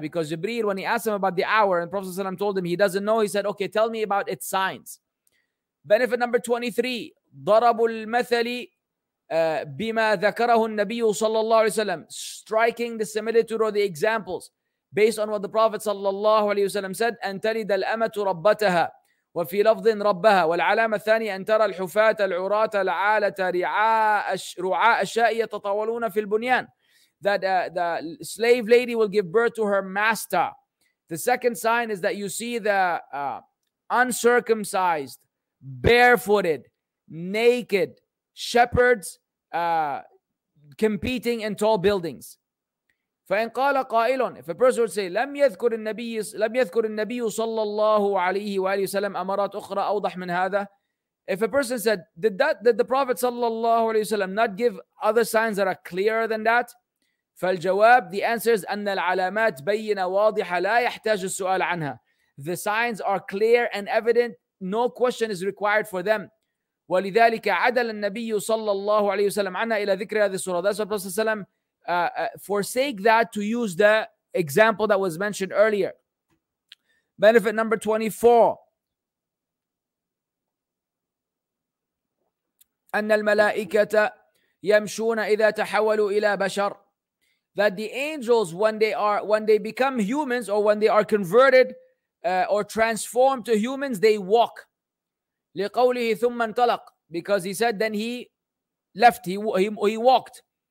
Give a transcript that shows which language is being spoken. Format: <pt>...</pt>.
<en>Because Jibril, when he asked him about the hour, and Prophet ﷺ told him he doesn't know, he said, okay, tell me about its signs. Benefit number 23.</en> <ar>ضَرَبُ الْمَثَلِ بِمَا ذَكَرَهُ النَّبِيُّ صَلَّى اللَّهُ عَلَيْهِ وَسَلَّمُ.</ar> <en>Striking the similitude or the examples based on what the Prophet ﷺ said,</en> <ar>أَنْ تَلِدَ الْأَمَةُ رَبَّتَهَا وفي لفظ ربها والعلامة الثانية أن ترى الحفاة العراة العالة رعاء الشاء يتطاولون في البنيان</ar> <en>that the slave lady will give birth to her master. The second sign is that you see the uncircumcised, barefooted, naked shepherds competing in tall buildings.</en> <ar>فإن قال قائل</ar> <en>if a person would say</en> <ar>لم يذكر النبي صلى الله عليه وآله وسلم أمرات أخرى أوضح من هذا</ar> <en>if a person said did the prophet صلى الله عليه وسلم not give other signs that are clearer than that</en> <ar>فالجواب</ar> <en>the answer is</en> <ar>أن العلامات بينة واضحة لا يحتاج السؤال عنها</ar> <en>the signs are clear and evident no question is required for them</en> <ar>ولذلك عدل النبي صلى الله عليه وسلم عنها إلى ذكر هذه السورة</ar> <en>that's what Prophet صلى forsake that to use the example that was mentioned earlier. Benefit number 24.</en> <ar>أن الملائكة يمشون إذا تحولوا إلى بشر.</ar> <en>That the angels, when they become humans or when they are converted or transformed to humans, they walk.</en> <ar>لقوله ثم انطلق.</ar> <en>Because he said then he left. He walked.</en>